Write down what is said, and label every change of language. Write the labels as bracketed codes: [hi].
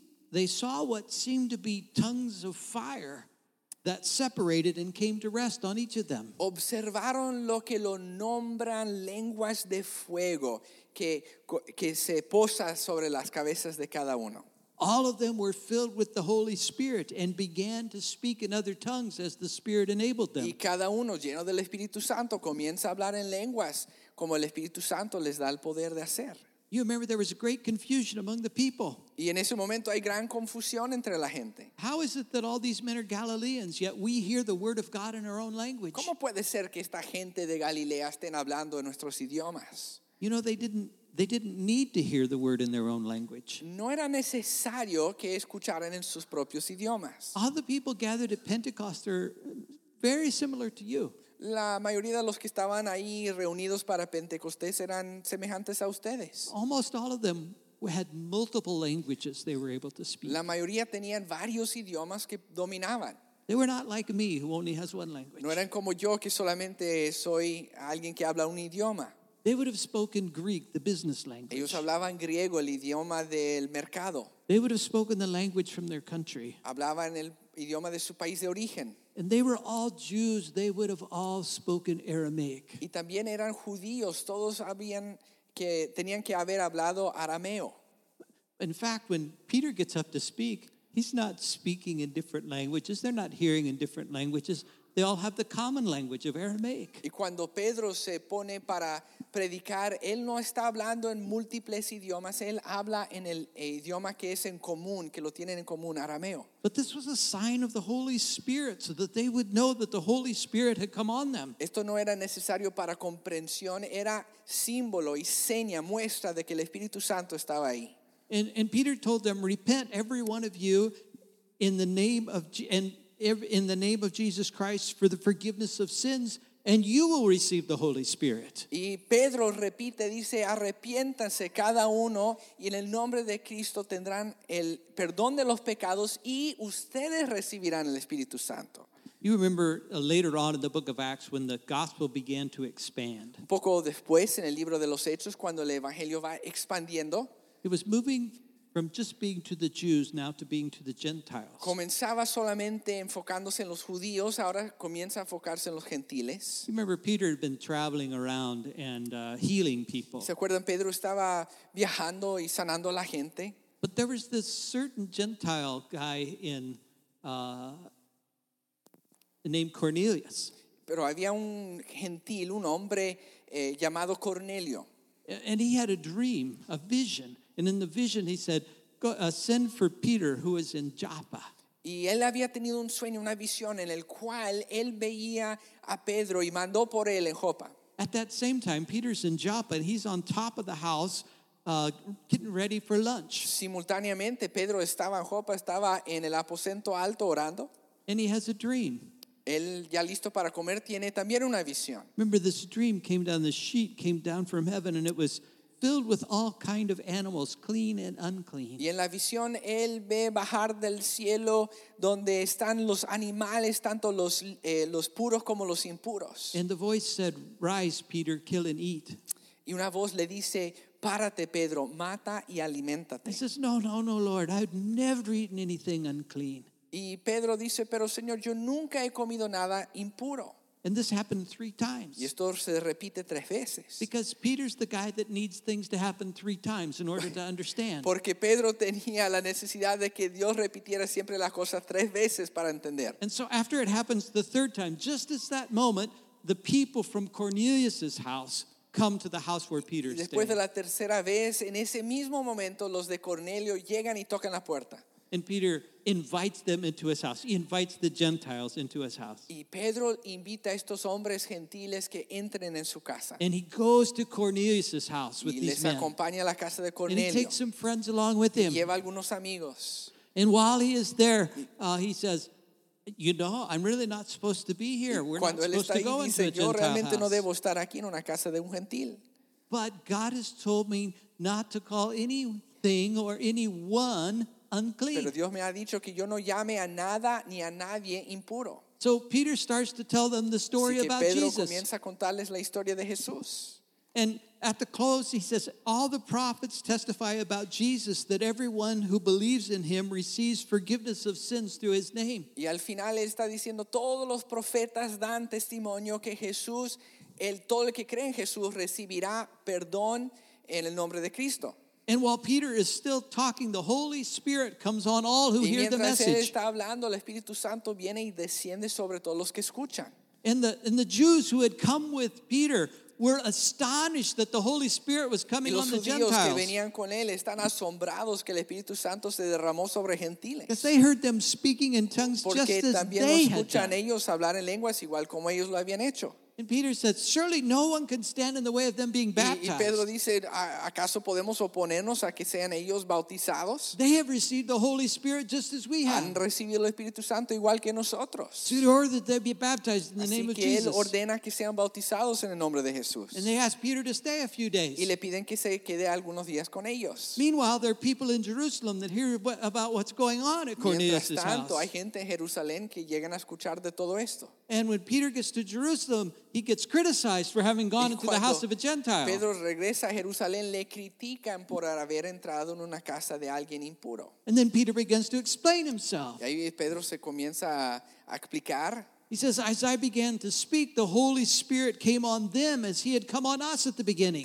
[en] They saw what seemed to be tongues of fire that separated and came to rest on each of them. [es] Observaron lo que lo nombran lenguas de fuego que se posa sobre las cabezas de cada uno. [en] All of them were filled with the Holy Spirit and began to speak in other tongues as the Spirit enabled them. [es] Y cada uno lleno del Espíritu Santo comienza a hablar en lenguas como el Espíritu Santo les da el poder de hacer. [en] You remember there was a great confusion among the people. [es] Y en ese momento hay gran confusión entre la gente. [en] How is it that all these men are Galileans, yet we hear the word of God in our own language? [es] ¿Cómo puede ser que esta gente de Galilea estén hablando en nuestros idiomas? [en] You know, they didn't need to hear the word in their own language. [es] No era necesario que escucharan en sus propios idiomas. [en] All the people gathered at Pentecost are very similar to you. [es] La mayoría de los que estaban ahí reunidos para Pentecostés eran semejantes a ustedes. [en] Almost all of them had multiple languages they were able to speak. [es] La mayoría tenían varios idiomas que dominaban. [en] They were not like me, who only has one language. [es] No eran como yo, que solamente soy alguien que habla un idioma. [en] They would have spoken Greek, the business language. [es] Ellos hablaban griego, el idioma del mercado. [en] They would have spoken the language from their country. [es] Hablaban el idioma de su país de origen. [en] And they were all Jews, they would have all spoken Aramaic. [es] Y también eran judíos, todos habían que tenían que haber hablado arameo. [en] In fact, when Peter gets up to speak, he's not speaking in different languages, they're not hearing in different languages, they all have the common language of Aramaic. [es] Y cuando Pedro se pone para predicar, él no está hablando en múltiples idiomas, él habla en el idioma que es en común, que lo tienen en común, arameo. [en] But this was a sign of the Holy Spirit so that they would know that the Holy Spirit had come on them. [es] Esto no era necesario para comprensión, era símbolo y seña, muestra de que el Espíritu Santo estaba ahí. [en] And Peter told them, repent every one of you in the name of Jesus Christ for the forgiveness of sins, And you will receive the Holy Spirit. [es] Y Pedro repite, dice, arrepiéntanse cada uno y en el nombre de Cristo tendrán el perdón de los pecados y ustedes recibirán el Espíritu Santo. [en] You remember later on in the book of Acts when the gospel began to expand. [es] Un poco después en el libro de los Hechos cuando el evangelio va expandiendo. [en] It was moving from just being to the Jews now to being to the Gentiles. [es] Comenzaba solamente enfocándose en los judíos, ahora comienza a enfocarse en los gentiles. [en] You remember Peter had been traveling around and healing people. [es] ¿Se acuerdan? Pedro estaba viajando y sanando a la gente. [en] But there was this certain Gentile guy in named Cornelius. [es] Pero había un gentil, un hombre llamado Cornelio. [en] And he had a dream, a vision. And in the vision, he said, "Go, send for Peter, who is in Joppa." [es] Y él había tenido un sueño, una visión en el cual él veía a Pedro y mandó por él en Joppa. [en] At that same time, Peter's in Joppa, and he's on top of the house, getting ready for lunch. [es] Simultáneamente, Pedro estaba en Joppa, estaba en el aposento alto orando. [en] And he has a dream. [es] Él ya listo para comer tiene también una visión. [en] Remember, this dream came down. The sheet came down from heaven, and it was filled with all kind of animals, clean and unclean. [es] Y en la visión él ve bajar del cielo donde están los animales, tanto los puros como los impuros. [en] And the voice said, "Rise, Peter, kill and eat." [es] Y una voz le dice, "Párate, Pedro, mata y aliméntate." [en] He says, "No, Lord, I've never eaten anything unclean." [es] Y Pedro dice, "Pero Señor, yo nunca he comido nada impuro." [en] And this happened three times. [es] Y esto se repite tres veces. [en] Because Peter's the guy that needs things to happen three times in order to understand. [es] Porque Pedro tenía la necesidad de que Dios repitiera siempre las cosas tres veces para entender. [en] And so after it happens the third time, just at that moment, the people from Cornelius's house come to the house where Peter stayed. [es] Después de la tercera vez, en ese mismo momento, los de Cornelio llegan y tocan la puerta. [en] And Peter invites them into his house. He invites the Gentiles into his house. [es] Y Pedro invita a estos hombres gentiles que entren en su casa. [en] And he goes to Cornelius's house with these men. [es] Y les acompaña a la casa de Cornelio. [en] And he takes some friends along with him. [es] Y lleva algunos amigos. [en] And while he is there, he says, "You know, I'm really not supposed to be here. We're [es] Cuando [en] not supposed to go [es] dice, [en] into a Gentile house." [es] Yo realmente no debo estar aquí en una casa de un gentil. [en] But God has told me not to call anything or anyone unclean. [es] Pero Dios me ha dicho que yo no llame a nada ni a nadie impuro. [en] So Peter starts to tell them the story [es] Así que [en] about [es] Pedro [en] Jesus. [es] Comienza a contarles la historia de Jesús. [en] And at the close he says, "All the prophets testify about Jesus that everyone who believes in him receives forgiveness of sins through his name." [es] Y al final está diciendo, todos los profetas dan testimonio que Jesús, todo el que cree en Jesús recibirá perdón en el nombre de Cristo. [en] And while Peter is still talking, the Holy Spirit comes on all who hear the message. [es] Él está hablando, el Espíritu Santo viene y desciende sobre todos los que escuchan. [en] And the Jews who had come with Peter were astonished that the Holy Spirit was coming [es] y los [en] on the Gentiles. [es] Judíos que venían con él están asombrados que el Espíritu Santo se derramó sobre gentiles. [en] Because they heard them speaking in tongues [es] Porque [en] just as they had done. [es] Porque también escuchan ellos hablar en lenguas igual como ellos lo habían hecho. [en] And Peter said, "Surely no one can stand in the way of them being baptized." [es] Y Pedro dice, ¿acaso podemos oponernos a que sean ellos bautizados? [en] They have received the Holy Spirit just as we have. [es] Han recibido el Espíritu Santo igual que nosotros. [en] So he ordered that they be baptized in the name of Jesus. [es] Así que él ordena que sean bautizados en el nombre de Jesús. [en] And they ask Peter to stay a few days. [es] Y le piden que se quede algunos días con ellos. [en] Meanwhile, there are people in Jerusalem that hear about what's going on at Cornelius' house. [es] Mientras tanto, hay gente en Jerusalén que llegan a escuchar de todo esto. [en] And when Peter gets to Jerusalem, he gets criticized for having gone into the house of a Gentile. [es] Pedro regresa a Jerusalén, le critican por haber entrado en una casa de alguien impuro. [en] And then Peter begins to explain himself. [es] Y ahí Pedro se comienza a explicar. [en] He says, "As I began to speak, the Holy Spirit came on them as he had come on us at the beginning."